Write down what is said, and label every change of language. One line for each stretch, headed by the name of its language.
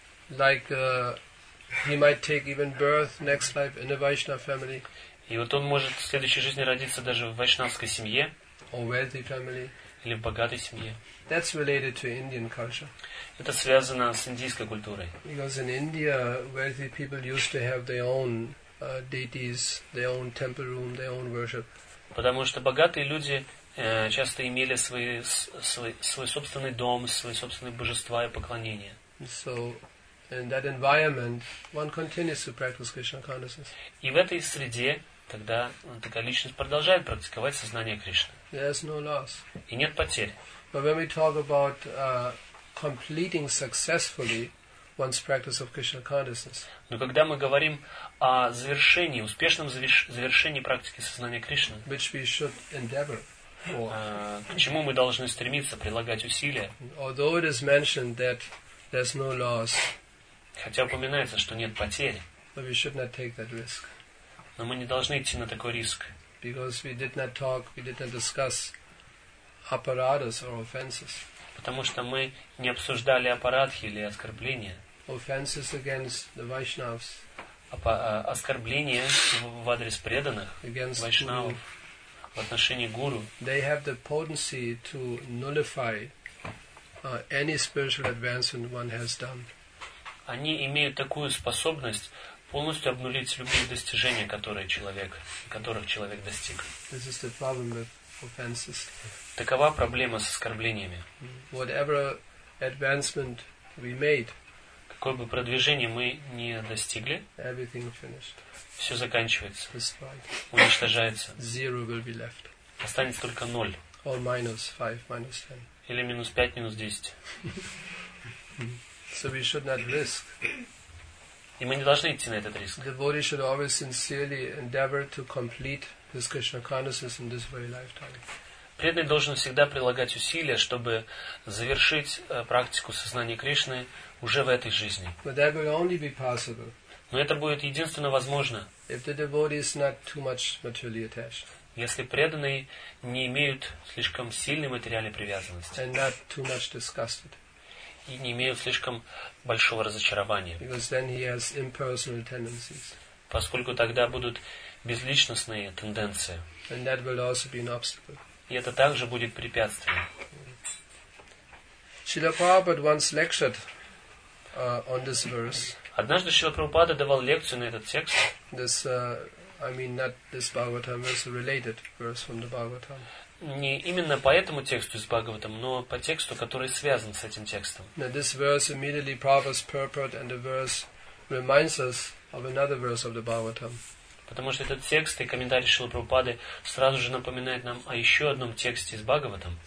English: Like he might take even birth next life in a Vaishnava family.
Russian: И вот он может в следующей жизни родиться даже в вайшнавской семье.
English: Or wealthy family.
Russian: Или в богатой семье.
English: That's related to Indian culture.
Russian: Это связано с индийской культурой.
English: Because in India, wealthy people used to have their own deities, their own temple room, their own worship.
Russian: Потому что богатые люди часто имели свой собственный дом, свои собственные божества и поклонения.
English: So, in that environment, one continues to practice Krishna consciousness.
Russian: И в этой среде тогда такая личность продолжает практиковать сознание Кришны.
English: There's no loss.
Russian: И нет потерь.
English: But when we talk about completing successfully one's practice of Krishna consciousness.
Russian: Но когда мы говорим о завершении, успешном завершении практики сознания Кришны,
English: which we should endeavor for.
Russian: К чему мы должны стремиться, прилагать усилия.
English: Although it is mentioned that there's no loss.
Russian: Хотя упоминается, что нет потери.
English: But we should not take that risk.
Russian: Но мы не должны идти на такой риск.
English: Because we did not talk, we did not discuss apparatus or offenses.
Russian: Потому что мы не обсуждали апарадхи или оскорбления.
English: Offenses against the Vaishnavas.
Russian: Оскорбления в адрес преданных.
English: Against
Russian: Vaishnavas. В отношении гуру.
English: They have the potency to nullify any spiritual advancement one has done.
Russian: они имеют такую способность полностью обнулить любые достижения, которые человек, которых человек достиг.
English: This is the problem with offenses.
Russian: Такова проблема с оскорблениями.
English: Whatever advancement we made,
Russian: какое бы продвижение мы ни достигли,
English: everything finished.
Russian: Все заканчивается.
English: Destroyed.
Russian: Уничтожается.
English: Zero will be left.
Russian: Останется только ноль.
English: Or minus 5, minus 10.
Russian: Или минус 5, минус 10.
English: So we should not risk.
Russian: И мы не должны идти на этот риск.
English: Devotee should always sincerely endeavor to complete his Krishna consciousness in this very lifetime.
Russian: Преданный должен всегда прилагать усилия, чтобы завершить практику сознания Кришны уже в этой жизни.
English: But that will only be possible.
Russian: Но это будет единственно возможно.
English: If the devotee is not too much materially attached.
Russian: Если преданные не имеют слишком сильной материальной привязанности
English: and not too much disgusted.
Russian: И не имеют слишком большого разочарования,
English: because then he has impersonal tendencies.
Russian: Поскольку тогда будут безличностные тенденции,
English: and that will also be an obstacle.
Russian: И это также будет препятствием.
English: Шрила Прабхупада once lectured on this verse.
Russian: Однажды Шрила Прабхупада давал лекцию на этот текст.
English: This, I mean, not this Bhagavatam verse, related verse from the Bhagavatam.
Russian: Не именно по этому тексту из Бхагаватам, но по тексту, который связан с этим текстом.
English: Now this verse immediately Prabhupada's purport, and the verse reminds us of another verse of the Bhagavatam.
Russian: Потому что этот текст и комментарий Шрилы Прабхупады сразу же напоминает нам о еще одном тексте из Бхагаватам.